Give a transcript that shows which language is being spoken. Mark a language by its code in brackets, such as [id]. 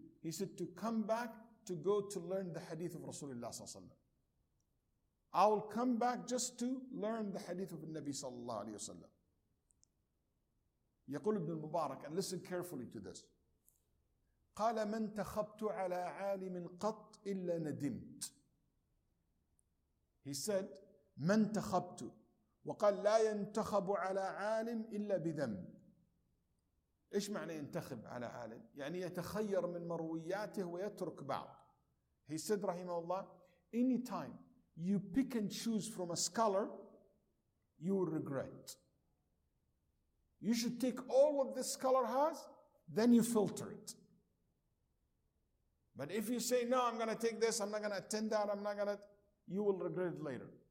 [en] He said, to come back to go to learn the hadith of Rasulullah sallallahu alayhi wa sallam. I will come back just to learn the hadith of Nabi sallallahu alayhi wa sallam. [ar] يقول ابن المبارك, [en] and listen carefully to this. [ar] قال من تخبت على عالم قط إلا ندمت. He said, من تخبت. وقال لا ينتخب على عالم إلا بذنب. إيش معنى ينتخب على عالم؟ يعني يتخير من مروياته ويترك بعض. [en] He said [ar] رحمه الله, [en] any time you pick and choose from a scholar, you will regret. You should take all what this scholar has, then you filter it. But if you say, no, I'm going to take this, I'm not going to attend that, I'm not going to, you will regret it later.